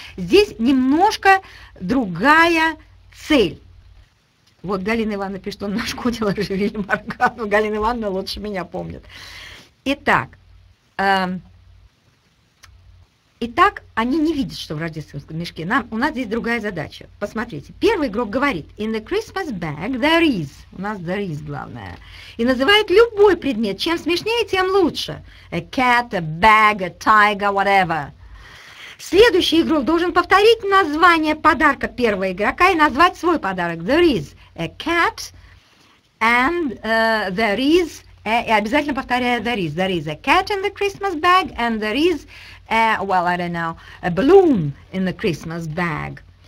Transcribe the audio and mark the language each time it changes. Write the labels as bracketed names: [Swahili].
[Russian] Здесь немножко другая цель. Вот Галина Ивановна пишет, он нашкодил оживили Моргану. Галина Ивановна лучше меня помнит. Итак, итак, они не видят, что в рождественском мешке. У нас здесь другая задача. Посмотрите. Первый игрок говорит, [English] in the Christmas bag there is. [Russian] У нас there is главное. И называет любой предмет. Чем смешнее, тем лучше. [English] A cat, a bag, a tiger, whatever. [Russian] Следующий игрок должен повторить название подарка первого игрока и назвать свой подарок. [English] There is a cat and there is... [Russian] И обязательно повторяю [English] there is a cat in the Christmas bag and there is... well, I don't know, a balloon in the Christmas bag.